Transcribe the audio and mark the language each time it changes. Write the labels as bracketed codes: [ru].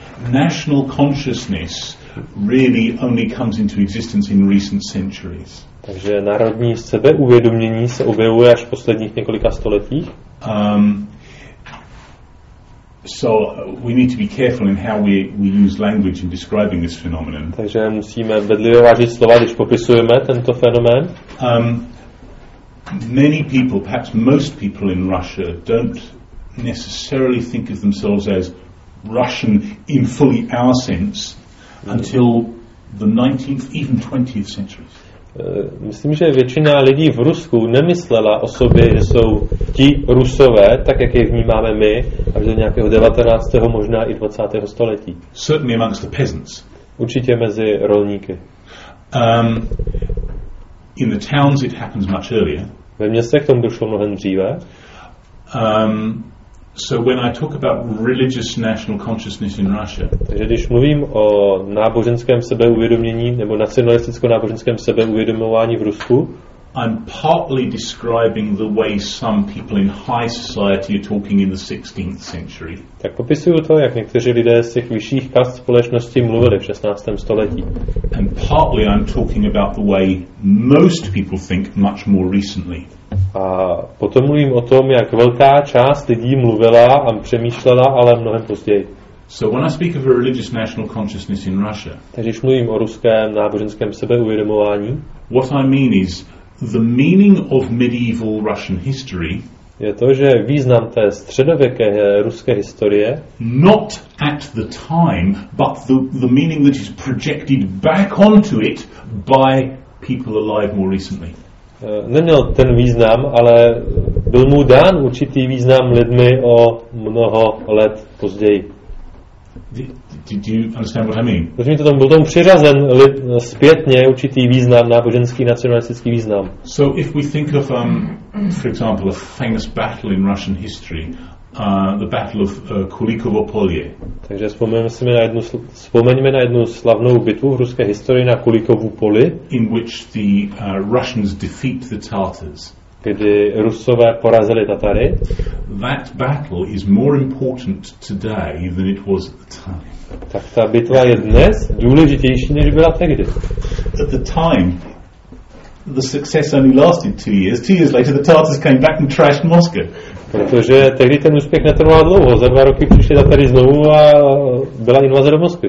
[en] National consciousness really only comes into existence in recent centuries. [cs] Takže národní sebeuvědomění se objevuje až v posledních několika stoletích. [en] So we need to be careful in how we use language in describing this phenomenon. [cs] Takže musíme bedlivě vážit slova, když popisujeme tento fenomén. [en] Many people, perhaps most people in Russia, don't necessarily think of themselves as Russian in fully our sense until the 19th, even 20th centuries. [cs] Myslím, že většina lidí v Rusku nemyslela o sobě, že jsou ti Rusové, tak jak je vnímáme my, až do nějakého 19. možná i 20. století. [en] Certainly amongst the peasants. [cs] Určitě mezi rolníky. [en] In the towns it happens much earlier. [cs] Ve městech tomu došlo mnohem dříve. [en] So when I talk about religious national consciousness in Russia. [cs] Takže když mluvím o náboženském sebeuvědomění nebo nacionalisticko-náboženském sebeuvědomování v Rusku, [en] I'm partly describing the way some people in high society are talking in the 16th century. [cs] Tak popisuju to, jak někteří lidé z těch vyšších kast společnosti mluvili v 16. století. [en] And partly I'm talking about the way most people think much more recently. [cs] A potom mluvím o tom, jak velká část lidí mluvila a přemýšlela, ale mnohem později. [en] So when I speak of a religious national consciousness in Russia. [cs] Takže když mluvím o ruském náboženském sebeuvědomování. [en] What I mean is the meaning of medieval Russian history. [cs] Je to, že význam té středověké ruské historie. [en] Not at the time, but the meaning that is projected back onto it by people alive more recently. [cs] Neměl ten význam, ale byl mu dán určitý význam lidmi o mnoho let později. [en] Did you understand what I mean? [cs] Rozumíte tomu? Byl tomu přiřazen zpětně určitý význam, náboženský, nacionalistický význam. [en] So if we think of, for example, a famous battle in Russian history, the battle of Kulikovo polje. [cs] Takže vzpomeňme na jednu slavnou bitvu v ruské historii, na Kulikovu poli, [en] in which the Russians defeat the Tatars. [cs] Kdy Rusové porazili Tatary. [en] That battle is more important today than it was at the time. [cs] Tak ta bitva je dnes důležitější, než byla tehdy. [en] At the time the success only lasted 2 years. 2 years later the Tatars came back and trashed Moscow. [cs] Protože tehdy ten úspěch netrval dlouho. Za 2 roky přišli Tatary znovu a byla invaze do Moskvy.